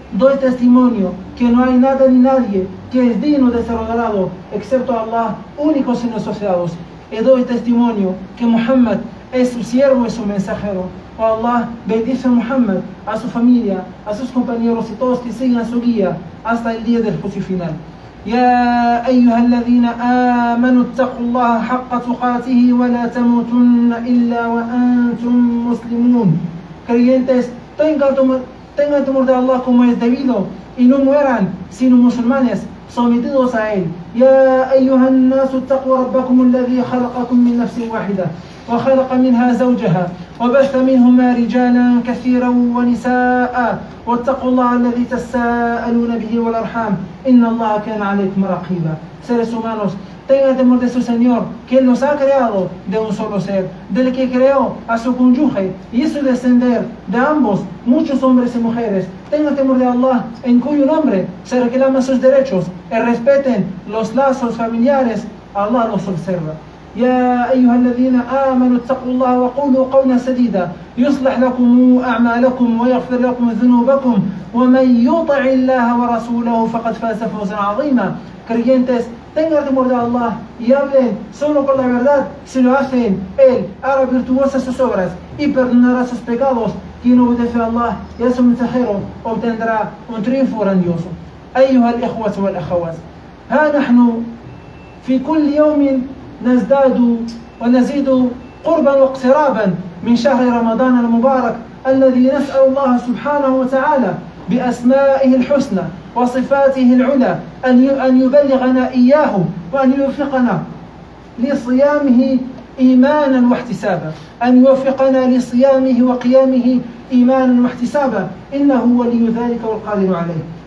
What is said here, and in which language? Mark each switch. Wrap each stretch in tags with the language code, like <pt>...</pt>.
<es>Doy testimonio que no hay nada ni nadie que es digno de ser adorado, excepto Allah, único sin asociados. Y doy testimonio que Muhammad es su siervo y su mensajero. Oh Allah, bendice a Muhammad, a su familia, a sus compañeros y todos que sigan su guía hasta el día del juicio final.</es> <ar>يا أيها الذين آمنوا اتقوا الله حق تقاته ولا تموتن إلا وأنتم مسلمون.</ar> <es>Creyentes, tengan temor de Allah como es debido y no mueran sino musulmanes sometidos a Él.</es> <ar>يا أيها الناس اتقوا ربكم الذي خلقكم من نفس واحدة وخلق منها زوجها وبث منهما رجالا كثيرا ونساء واتقوا الله الذي تساءلون به والأرحام إن الله كان عليكم رقيبا.</ar> <es>Seres humanos, tengan temor de su Señor, que Él nos ha creado de un solo ser, del que creó a su cónyuge y hizo descender de ambos muchos hombres y mujeres. Tengan temor de Allah, en cuyo nombre se reclaman sus derechos, y respeten los lazos familiares. Allah los observa.</es> <ar>يا أيها الذين آمنوا اتقوا الله وقولوا قولا سديدا يصلح لكم أعمالكم ويغفر لكم ذنوبكم ومن يطع الله ورسوله فقد فاز فوزا عظيما.</ar> <es>Creyentes, tengan temor de Allah y hablen solo con la verdad. Si lo hacen, Él hará virtuosas sus obras y perdonará sus pecados. Quien obedece a Allah y a su mensajero obtendrá un triunfo grandioso.</es> <ar>أيها الإخوة والأخوات, ها نحن في كل يوم نزداد ونزيد قربا واقترابا من شهر رمضان المبارك الذي نسأل الله سبحانه وتعالى بأسمائه الحسنى وصفاته العلى أن يبلغنا إياه وأن يوفقنا لصيامه إيمانا واحتسابا، أن يوفقنا لصيامه وقيامه إيمانا واحتسابا، إنه ولي ذلك والقادر عليه.</ar>